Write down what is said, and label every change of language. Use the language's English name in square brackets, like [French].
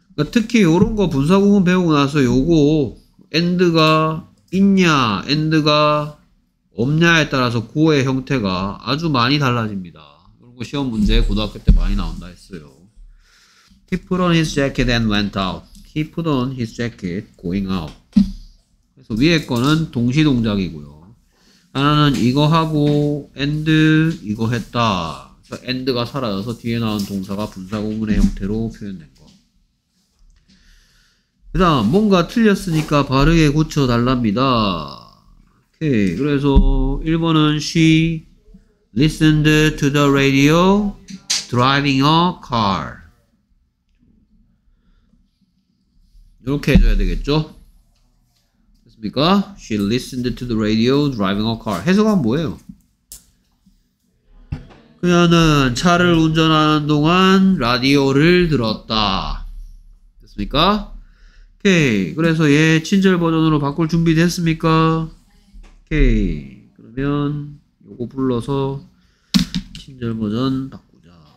[Korean] 특히 이런 거 분사구문 배우고 나서 요거 end가 있냐 end가 없냐에 따라서 고의 형태가 아주 많이 달라집니다. 이런 거 시험 문제 고등학교 때 많이 나온다 했어요. [English] He put on his jacket and went out. He put on his jacket going out. [Korean] 그래서 위에 거는 동시 동작이고요. 하나는 이거 하고 end 이거 했다. 그래서 end가 사라져서 뒤에 나온 동사가 분사구문의 형태로 표현된 거. 그 다음 뭔가 틀렸으니까 바르게 고쳐달랍니다. 오케이, 그래서 1번은 [English] she listened to the radio driving a car. [Korean] 이렇게 해줘야 되겠죠? 됐습니까? [English] She listened to the radio driving a car. [Korean] 해석은 뭐예요? 그녀는 차를 운전하는 동안 라디오를 들었다. 됐습니까? 오케이. 그래서 얘 친절 버전으로 바꿀 준비 됐습니까? 오케이. 그러면 요거 불러서 친절 버전 바꾸자.